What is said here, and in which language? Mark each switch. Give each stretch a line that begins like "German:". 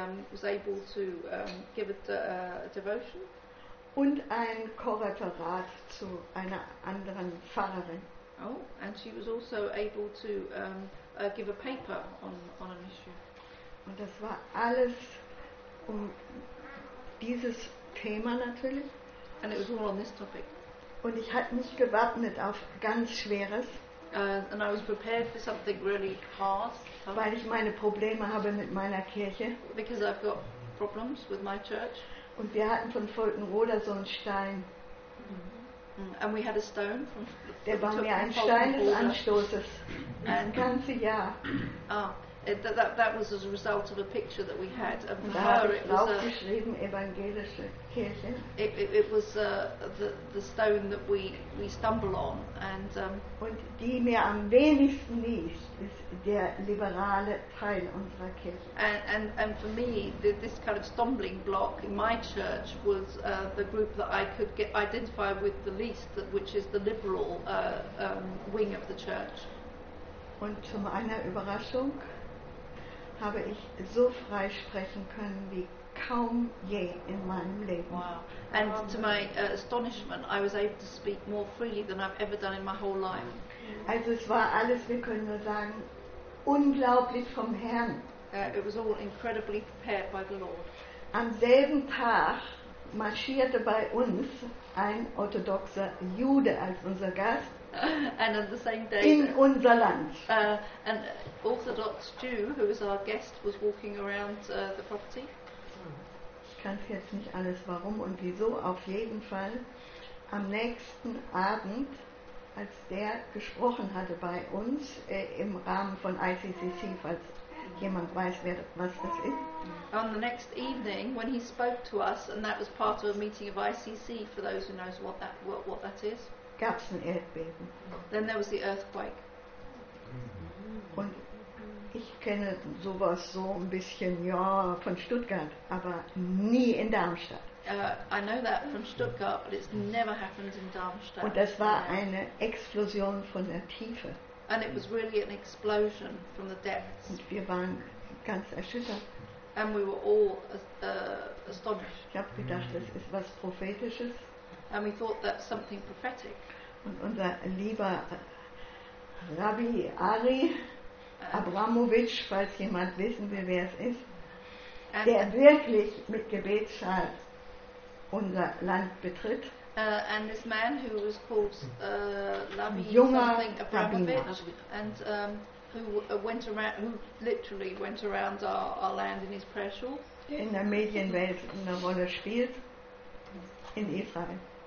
English: Was able to give it a devotion.
German: Und ein Korreferat zu einer anderen Pfarrerin.
English: Oh, and she was also able to give a paper on an issue.
German: Und das war alles um dieses Thema natürlich.
English: And it was all on this topic.
German: Und ich hatte mich gewappnet auf ganz Schweres.
English: And I was prepared for something really hard.
German: Weil ich meine Probleme habe mit meiner Kirche.
English: Because I've got problems with my church.
German: Und wir hatten von Fulton-Roder so einen Stein.
English: And we had a stone from
German: der war mir ein Stein des Anstoßes. Ein ganzes Jahr.
English: That was as a result of a picture that we had. Of
German: und
English: her,
German: habe ich geschrieben, evangelische Kirche.
English: It was the stone that we stumble on. And,
German: und die mir am wenigsten liegt, ist der liberale Teil unserer Kirche.
English: And for me, this kind of stumbling block in my church was the group that I could get identify with the least, which is the liberal wing of the church.
German: Und zu meiner Überraschung habe ich so frei sprechen können wie kaum je in meinem Leben.
English: Wow. And to my astonishment, I was able to speak more freely than I've ever done in my whole life.
German: Also es war alles, wir können nur sagen, unglaublich vom Herrn.
English: It was all incredibly prepared by the Lord.
German: Am selben Tag marschierte bei uns ein orthodoxer Jude als unser Gast
English: and at the same day
German: in unser Land.
English: An orthodox Jew, who was our guest, was walking around the property.
German: Ich kann jetzt nicht alles warum und wieso, auf jeden Fall am nächsten Abend, als der gesprochen hatte bei uns im Rahmen von ICCC, falls jemand weiß, wer, was das ist.
English: On the next evening, when he spoke to us, and that was part of a meeting of ICC, for those who know what that is,
German: gab's ein Erdbeben.
English: Then there was the earthquake.
German: Und ich kenne sowas so ein bisschen, ja, von Stuttgart, aber nie in Darmstadt.
English: I know that from Stuttgart, but it's never happened in Darmstadt.
German: Und es war eine Explosion von der Tiefe.
English: And it was really an explosion from the depths.
German: Und wir waren ganz erschüttert.
English: And we were all astonished.
German: Ich habe gedacht, das ist was Prophetisches.
English: And we thought that's something prophetic.
German: Und unser lieber Rabbi Ari Abramovic, falls jemand wissen will, wer es ist, der wirklich mit Gebetsschal unser Land betritt.
English: And this man who was called Rabbi something Abramovic, and who literally went around our land in his prayer shawl.
German: In der Medienwelt eine Rolle spielt in Israel.